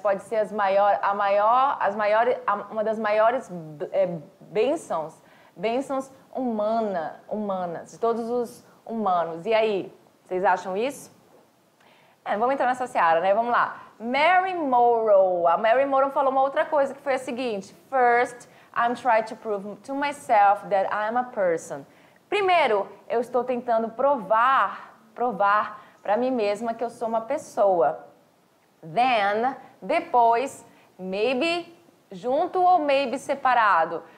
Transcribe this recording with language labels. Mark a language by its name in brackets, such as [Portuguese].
[Portuguese] Pode ser uma das maiores bênçãos. Bênçãos humanas, de todos os humanos. E aí, vocês acham isso? Vamos entrar nessa seara, né? Vamos lá. Mary Morrow. A Mary Morrow falou uma outra coisa, que foi a seguinte. [English] First, I'm trying to prove to myself that I'm a person. [Portuguese] Primeiro, eu estou tentando provar para mim mesma que eu sou uma pessoa. [English] Then, [Portuguese] depois, [English] maybe [Portuguese] junto ou maybe separado.